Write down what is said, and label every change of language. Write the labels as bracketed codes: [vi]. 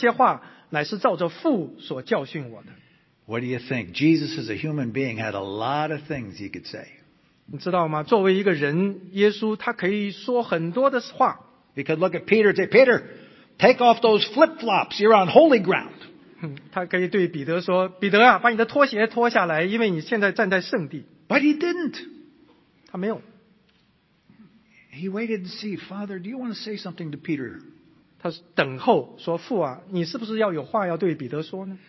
[zh] 你们举起人子以后，必知道我是基督，并且知道我没有一件事是凭着自己做的。我说这些话，乃是照着父所教训我的。 [en] What do you think? Jesus as a human being had a lot of things he could say. [zh] 你知道吗？作为一个人，耶稣他可以说很多的话。 [en] He could look at Peter and say, Peter, take off those flip-flops. You're on holy ground. [zh] 他可以对彼得说，彼得啊，把你的拖鞋脱下来，因为你现在站在圣地。 [en] But he didn't. [zh] 他没有。 [en] He waited to see, Father, do you want to say something to Peter? [zh] 他等候说，父啊，你是不是要有话要对彼得说呢？